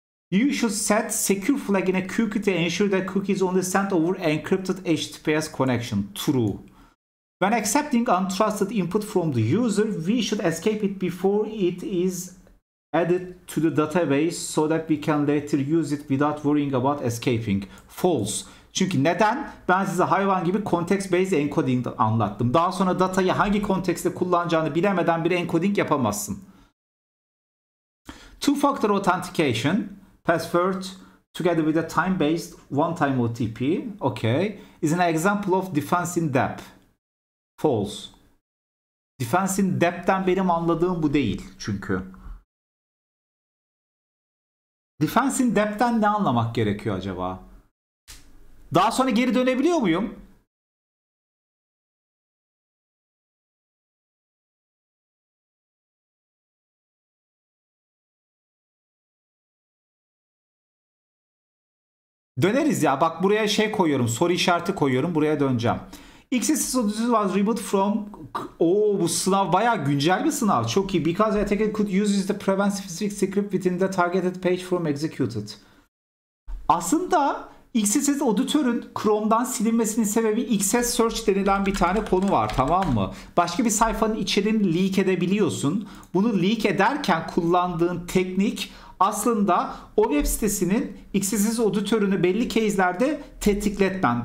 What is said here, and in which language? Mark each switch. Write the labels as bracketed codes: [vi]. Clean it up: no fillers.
[en] You should set secure flag in a cookie to ensure that cookies only sent over encrypted HTTPS connection. True. When accepting untrusted input from the user, we should escape it before it is added to the database so that we can later use it without worrying about escaping. False. [tr] Çünkü neden? Ben size hayvan gibi context-based encoding anlattım. Daha sonra datayı hangi kontekste kullanacağını bilemeden bir encoding yapamazsın. [en] Two-factor authentication, password together with a time-based one-time OTP, okay, is an example of defense in depth. False. [tr] Defense in depth'ten benim anladığım bu değil çünkü. Defense in depth'ten ne anlamak gerekiyor acaba? Daha sonra geri dönebiliyor muyum? Döneriz ya. Bak buraya şey koyuyorum. Soru işareti koyuyorum. Buraya döneceğim. [en] XSS authentication was removed from... [tr] Oo, bu sınav bayağı güncel bir sınav. Çok iyi. [en] Because the attacker could use the prevent specific script within the targeted page from executed. [tr] Aslında XSS auditor'ın Chrome'dan silinmesinin sebebi XSS search denilen bir tane konu var, tamam mı? Başka bir sayfanın içeriğini leak edebiliyorsun. Bunu leak ederken kullandığın teknik aslında o web sitesinin XSS auditor'ünü belli case'lerde tetikletmen.